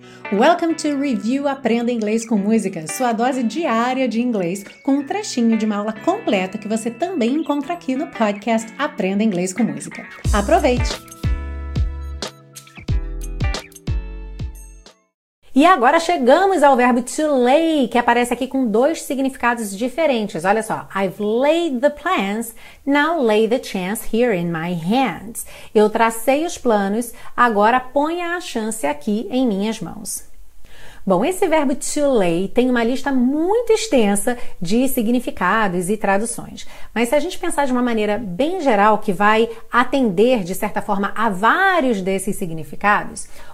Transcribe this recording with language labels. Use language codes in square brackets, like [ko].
[en] Welcome to Review [pt] Aprenda Inglês com Música, sua dose diária de inglês com um trechinho de uma aula completa que você também encontra aqui no podcast Aprenda Inglês com Música. Aproveite! E agora chegamos ao verbo to lay, que aparece aqui com dois significados diferentes. Olha só, [en] I've laid the plans, now lay the chance here in my hands. [pt] Eu tracei os planos, agora ponha a chance aqui em minhas mãos. Bom, esse verbo to lay tem uma lista muito extensa de significados e traduções. Mas se a gente pensar de uma maneira bem geral, que vai atender, de certa forma, a vários desses significados...